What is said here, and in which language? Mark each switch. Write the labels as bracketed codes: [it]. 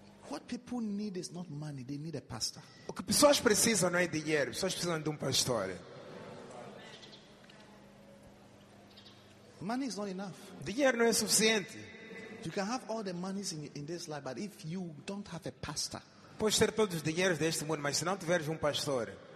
[en] What people need is not money, they need a pastor. [pt] O que pessoas precisam não é dinheiro, pessoas precisam de pastor. [en] Money is not enough. [pt] Dinheiro não é suficiente. [en] You can have all the monies in this life, but if you don't have a pastor. [pt] Podes ter todos os dinheiros deste mundo, mas se não tiveres pastor.